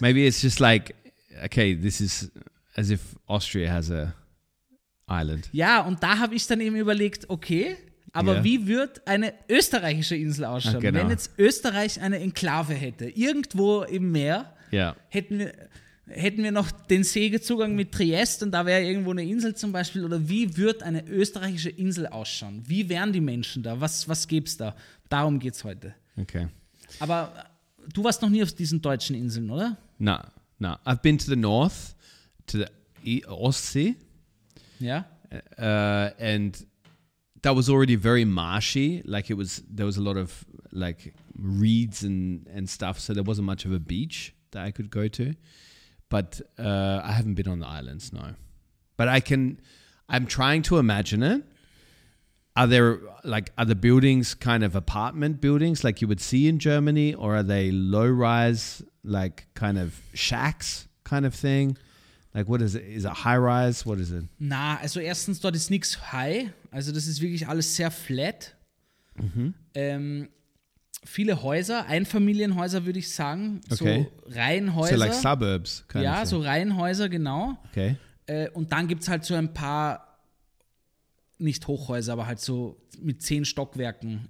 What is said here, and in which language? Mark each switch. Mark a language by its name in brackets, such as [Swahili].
[English] Maybe it's just like, okay, this is as if Austria has a island. [German] Ja, und da habe ich dann eben überlegt, okay, aber yeah, wie wird eine österreichische Insel ausschauen, genau, wenn jetzt Österreich eine Enklave hätte? Irgendwo im Meer, [English] yeah, [German] hätten wir noch den Segelzugang mit Triest und da wäre irgendwo eine Insel zum Beispiel? Oder wie wird eine österreichische Insel ausschauen? Wie wären die Menschen da? Was gäbe es da? Darum geht es heute. Okay. Aber du warst noch nie auf diesen deutschen Inseln, oder? [English] No. I've been to the north, to the Ostsee. Yeah. And... That was already very marshy, like it was, there was a lot of like reeds and stuff, so there wasn't much of a beach that I could go to, but I haven't been on the islands, no. But I'm trying to imagine it. Are the buildings kind of apartment buildings like you would see in Germany, or are they low rise, like kind of shacks kind of thing? Like, what is it? Is it high rise? What is it? [German] Na, also erstens, dort ist nichts high. Also das ist wirklich alles sehr flat. Mhm. Viele Häuser, Einfamilienhäuser würde ich sagen. [English] Okay. [German] So Reihenhäuser. [English] So like suburbs. [German] Ja, so Reihenhäuser, genau. [English] Okay. [German] Und dann gibt es halt so ein paar, nicht Hochhäuser, aber halt so mit 10 Stockwerken.